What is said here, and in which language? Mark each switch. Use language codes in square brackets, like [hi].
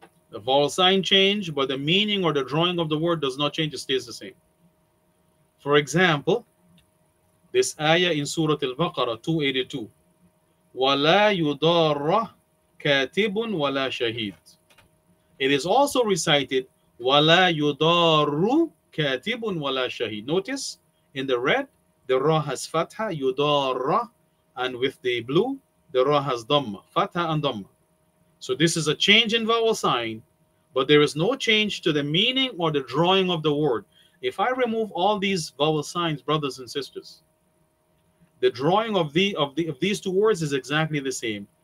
[en] The vowel sign change, but the meaning or the drawing of the word does not change, it stays the same. For example, this ayah in Surah Al-Baqarah 282, [ar] وَلَا يُضَارَّ كَاتِبٌ وَلَا شَهِيدٌ. [en] It is also recited, [ar] وَلَا يُدَارُ كَاتِبٌ وَلَا شَهِيدٌ. [en] Notice, in the red, the ra has fatha, يُدَارَ, and with the blue, the ra has dhamma, fatha and dhamma. So this is a change in vowel sign, but there is no change to the meaning or the drawing of the word. If I remove all these vowel signs, brothers and sisters, the drawing of these two words is exactly the same.